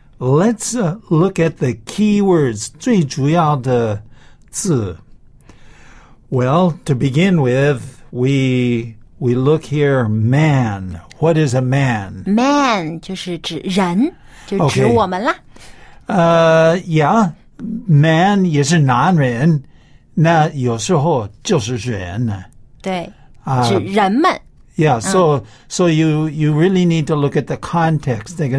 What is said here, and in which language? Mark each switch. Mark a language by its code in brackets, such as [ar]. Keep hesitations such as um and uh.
[en] let's uh, look at the keywords [zh] 最主要的。 [en] well, to begin with, we we look here. Man, what is a man? [zh] Man 就是指人，就指我们啦。呃、 [en] okay.，Yeah，man just uh, [zh] 也是男人，那有时候就是人呢。对，啊，指人们。 [en] Yeah, uh, so uh, so you you really need to look at the context.